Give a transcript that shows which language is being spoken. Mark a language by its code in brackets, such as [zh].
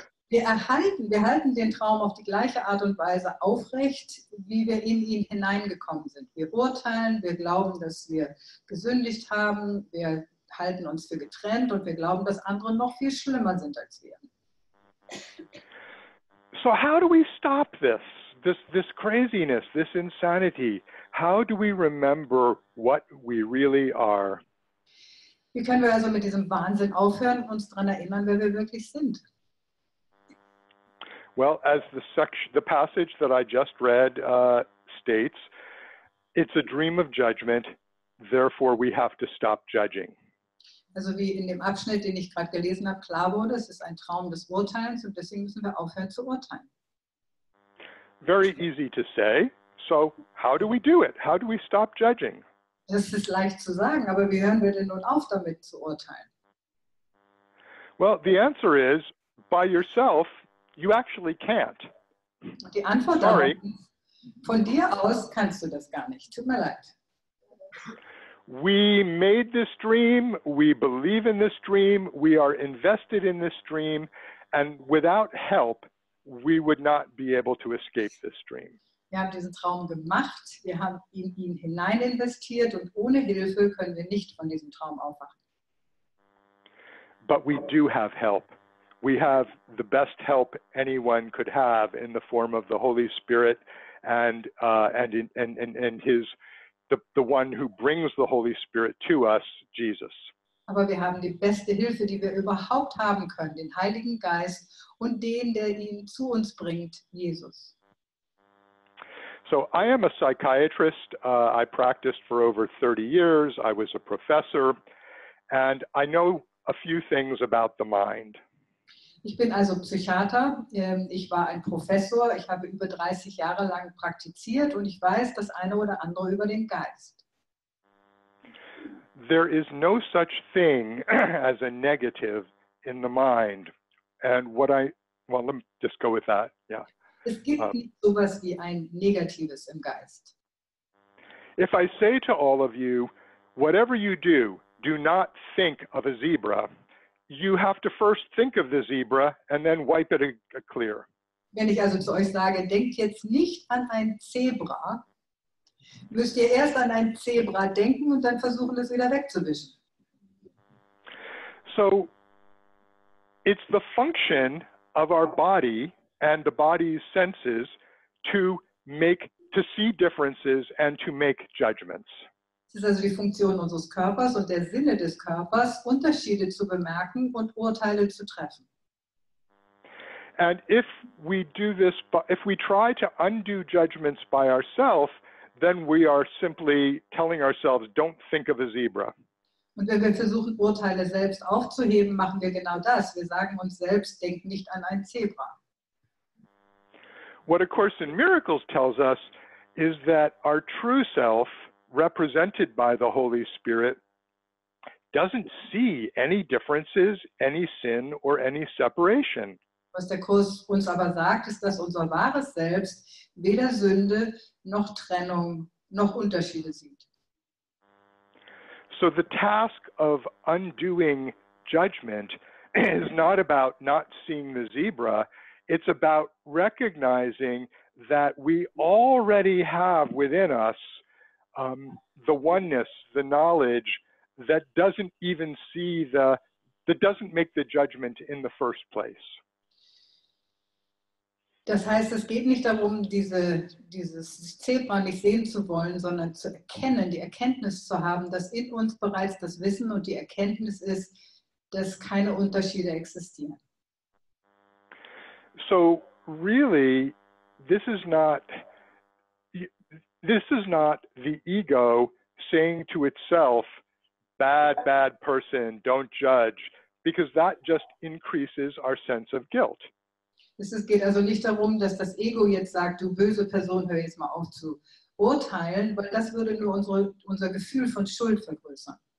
[de] Wir halten den Traum auf die gleiche Art und Weise aufrecht, wie wir in ihn hineingekommen sind. Wir urteilen, wir glauben, dass wir gesündigt haben, wir halten uns für getrennt und wir glauben, dass andere noch viel schlimmer sind als wir. [en] So how do we stop this craziness, this insanity? How do we remember what we really are? [de] Wie können wir also mit diesem Wahnsinn aufhören, uns daran erinnern, wer wir wirklich sind? [en] Well, as the passage that I just read states, it's a dream of judgment, therefore we have to stop judging. [de] Also wie in dem Abschnitt, den ich gerade gelesen habe, klar wurde, es ist ein Traum des Urteils und deswegen müssen wir aufhören zu urteilen. [en] Very easy to say. So how do we do it? How do we stop judging? [de] Das ist leicht zu sagen, aber wie hören wir denn nun auf, damit zu urteilen? [en] Well, the answer is, by yourself, you actually can't. [de] Die Antwort [en] Sorry. [de] Von dir aus kannst du das gar nicht. Tut mir leid. [en] We made this dream, we believe in this dream, we are invested in this dream, and without help, we would not be able to escape this dream. [de] Wir haben diesen Traum gemacht, wir haben in ihn hinein investiert und ohne Hilfe können wir nicht von diesem Traum aufwachen. [en] But we do have help. We have the best help anyone could have in the form of the Holy Spirit and the one who brings the Holy Spirit to us, Jesus. [de] Aber wir haben die beste Hilfe, die wir überhaupt haben können, den Heiligen Geist und den, der ihn zu uns bringt, Jesus. [en] So I am a psychiatrist. I practiced for over 30 years. I was a professor and I know a few things about the mind. [de] Ich bin also Psychiater, ich war ein Professor, ich habe über 30 Jahre lang praktiziert und ich weiß das eine oder andere über den Geist. [en] There is no such thing as a negative in the mind. And what I, well, let me just go with that, yeah. [de] Es gibt nicht sowas wie ein Negatives im Geist. [en] If I say to all of you, whatever you do, do not think of a zebra. You have to first think of the zebra and then wipe it clear. [de] Wenn ich also zu euch sage, denkt jetzt nicht an ein Zebra, müsst ihr erst an ein Zebra denken und dann versuchen, es wieder wegzuwischen. [en] So, it's the function of our body and the body's senses to make, to see differences and to make judgments. [de] Es ist also die Funktion unseres Körpers und der Sinne des Körpers, Unterschiede zu bemerken und Urteile zu treffen. [en] And if we do this, if we try to undo judgments by ourselves, then we are simply telling ourselves, don't think of a zebra. [de] Und wenn wir versuchen, Urteile selbst aufzuheben, machen wir genau das. Wir sagen uns selbst, denk nicht an ein Zebra. [en] What A Course in Miracles tells us is that our true self, represented by the Holy Spirit, doesn't see any differences, any sin, or any separation. [de] Was der Kurs uns aber sagt, ist, dass unser wahres Selbst weder Sünde noch Trennung noch Unterschiede sieht. [en] So the task of undoing judgment is not about not seeing the zebra, it's about recognizing that we already have within us the oneness, the knowledge that doesn't even see the, that doesn't make the judgment in the first place. [de] Das heißt, es geht nicht darum, dieses Zebra nicht sehen zu wollen, sondern zu erkennen, die Erkenntnis zu haben, dass in uns bereits das Wissen und die Erkenntnis ist, dass keine Unterschiede existieren. [en] So really, this is not the ego saying to itself, bad, bad person, don't judge, because that just increases our sense of guilt. [de] Es geht also nicht darum, dass das Ego jetzt sagt, du böse Person, hör jetzt mal auf zu urteilen, weil das würde nur unser Gefühl von Schuld vergrößern.